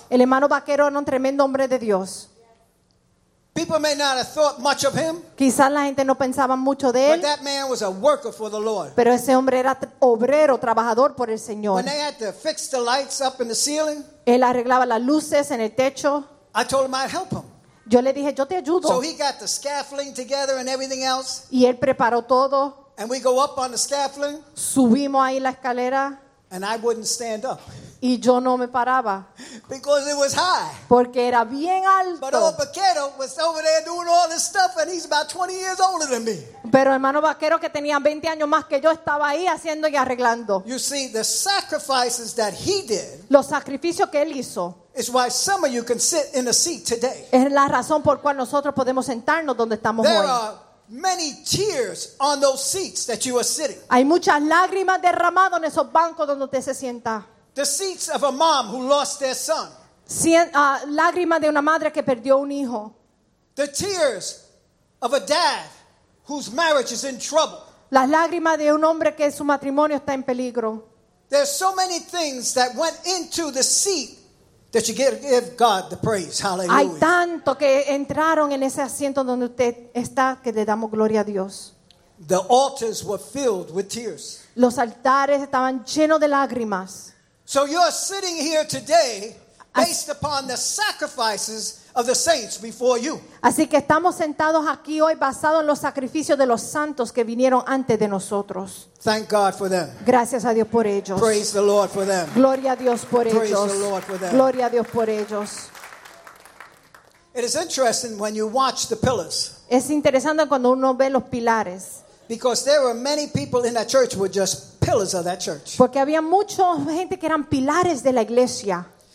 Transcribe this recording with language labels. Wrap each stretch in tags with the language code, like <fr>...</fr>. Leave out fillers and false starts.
<es>El hermano Vaquero era un tremendo hombre de Dios.</es> <en>People may not have thought much of him.</en> <es>Quizás la gente no pensaba mucho de él.</es> <en>But that man was a worker for the Lord.</en> <es>Pero ese hombre era obrero, trabajador por el Señor.</es> <en>When they had to fix the lights up in the ceiling,</en> <es>él arreglaba las luces en el techo.</es> <en>I told him I'd help him.</en> <es>Yo le dije, yo te ayudo.</es> <en>So he got the scaffolding together and everything else.</en> <es>Y él preparó todo.</es> <en>And we go up on the scaffolding.</en> <es>Subimos ahí la escalera.</es> <en>And I wouldn't stand up.</en> <es>Y yo no me paraba.</es> <en>Because it was high.</en> <es>Porque era bien alto.</es> <en>But old Vaquero was over there doing all this stuff and he's about 20 years older than me.</en> <es>Pero hermano Vaquero que tenía 20 años más que yo estaba ahí haciendo y arreglando.</es> <en>You see, the sacrifices that he did,</en> <es>los sacrificios que él hizo,</es> <en>is why some of you can sit in a seat today.</en> <es>Es la razón por cual nosotros podemos sentarnos donde estamos</es> <en>there</en> <es>hoy.</es> <en>There are many tears on those seats that you are sitting.</en> <es>Hay muchas lágrimas derramadas en esos bancos donde usted se sienta.</es> <en>The seats of a mom who lost their son.</en> <es>Lágrimas de una madre que perdió un hijo.</es> <en>The tears of a dad whose marriage is in trouble.</en> <es>Las lágrimas de un hombre que su matrimonio está en peligro.</es> <en>There's so many things that went into the seat that you give God the praise. Hallelujah.</en> <es>Hay tanto que entraron en ese asiento donde usted está que le damos gloria a Dios.</es> <en>The altars were filled with tears.</en> <es>Los altares estaban llenos de lágrimas.</es> <en>So you're sitting here today based upon the sacrifices of the saints before you.</en> <es>Así que estamos sentados aquí hoy basado en los sacrificios de los santos que vinieron antes de nosotros.</es> <en>Thank God for them.</en> <es>Gracias a Dios por ellos.</es> <en>Praise the Lord for them.</en> <es>Gloria a Dios por</es> <en>Praise</en> <es>ellos.</es> <en>The Lord for them.</en> <es>Gloria a Dios por ellos.</es> <en>It is interesting when you watch the pillars.</en> <es>Es interesante cuando uno ve los pilares.</es> <en>Because there were many people in that church who were just pillars of that church.</en> <es>Porque había mucha gente que eran pilares de la iglesia.</es>